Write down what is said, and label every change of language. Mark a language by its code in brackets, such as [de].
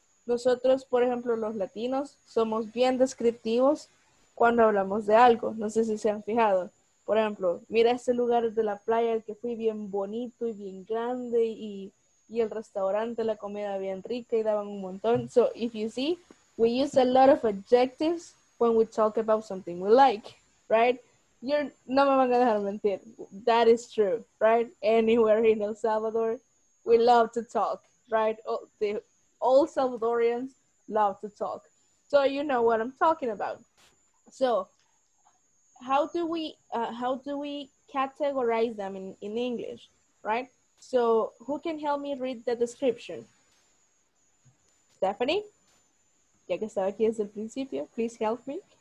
[es] Nosotros, por ejemplo, los latinos, somos bien descriptivos cuando hablamos de algo. No sé si se han fijado. Por ejemplo, mira este lugar de la playa al que fui, bien bonito y bien grande, y el restaurante, la comida bien rica y daban un montón. [en] So, if you see, we use a lot of adjectives when we talk about something we like, right? [es] No me van a dejar mentir. [en] That is true, right? Anywhere in El Salvador, we love to talk, right? All Salvadorians love to talk. So you know what I'm talking about. So how do we categorize them in English, right? So who can help me read the description? Stephanie? [es] Ya que estaba aquí desde el principio, [en] please help me.